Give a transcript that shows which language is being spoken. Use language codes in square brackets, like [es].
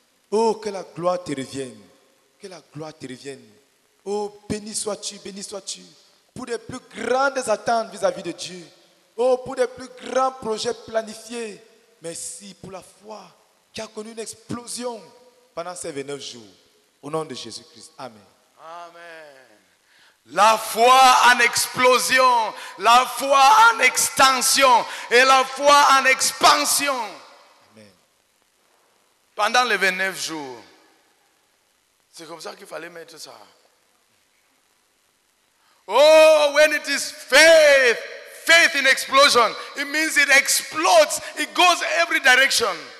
[fr] Oh, que la gloire te revienne. Que la gloire te revienne. Oh, béni sois-tu pour des plus grandes attentes vis-à-vis de Dieu. Oh, pour des plus grands projets planifiés. Merci pour la foi qui a connu une explosion pendant ces 29 jours. Au nom de Jésus-Christ. Amen. Amen. La foi en explosion, la foi en extension et la foi en expansion. Amen. Pendant les 29 jours, c'est comme ça qu'il fallait mettre ça. [en] Oh, when it is faith, faith in explosion, it means it explodes, it goes every direction.